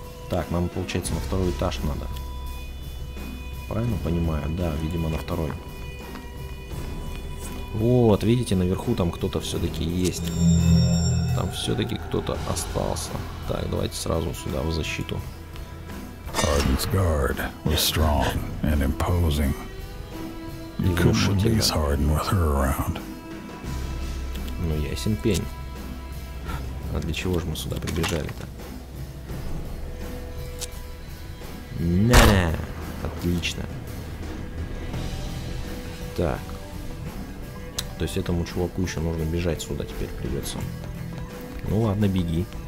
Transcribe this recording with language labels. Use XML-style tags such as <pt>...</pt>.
<ru>Так, нам получается на второй этаж надо. Правильно понимаю? Да, видимо, на второй. Вот, видите, наверху там кто-то все-таки есть. Там все-таки кто-то остался. Так, давайте сразу сюда в защиту.</ru> <en>Arden's guard was strong and imposing. You couldn't release Arden with her around.</en> <ru>Ну, ясен пень. А для чего же мы сюда прибежали-то? На-на-на. Отлично. Так. То есть этому чуваку еще нужно бежать сюда теперь придется. Ну ладно, беги.</ru>